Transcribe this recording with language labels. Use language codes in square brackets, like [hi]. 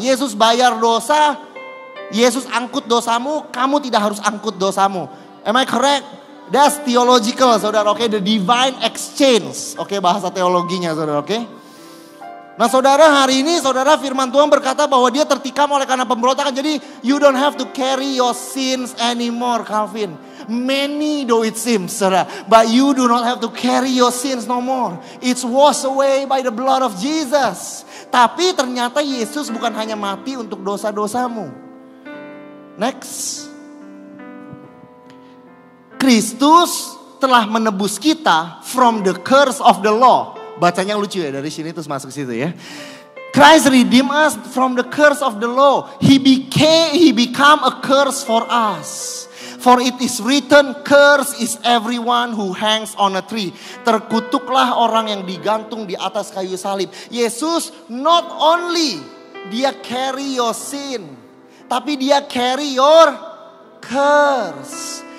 [id] Yesus bayar dosa, Yesus angkut dosamu, kamu tidak harus angkut dosamu. [en] Am I correct? That's theological, saudara, okay? The divine exchange, okay? [id] Bahasa teologinya, saudara, okay? Nah, saudara, hari ini, saudara, firman Tuhan berkata bahwa dia tertikam oleh karena pemberontakan. [en] Jadi, you don't have to carry your sins anymore, Calvin. Many though it seems, saudara. But you do not have to carry your sins no more. It's washed away by the blood of Jesus. [id] Tapi, ternyata Yesus bukan hanya mati untuk dosa-dosamu. Next. Kristus telah menebus kita [en] from the curse of the law. [id] Bacanya lucu ya, dari sini terus masuk situ ya. [en] Christ redeemed us from the curse of the law. He became a curse for us. For it is written, curse is everyone who hangs on a tree. [id] Terkutuklah orang yang digantung di atas kayu salib. [en] Yesus not only dia carry your sin, [id] tapi dia [en] carry your curse.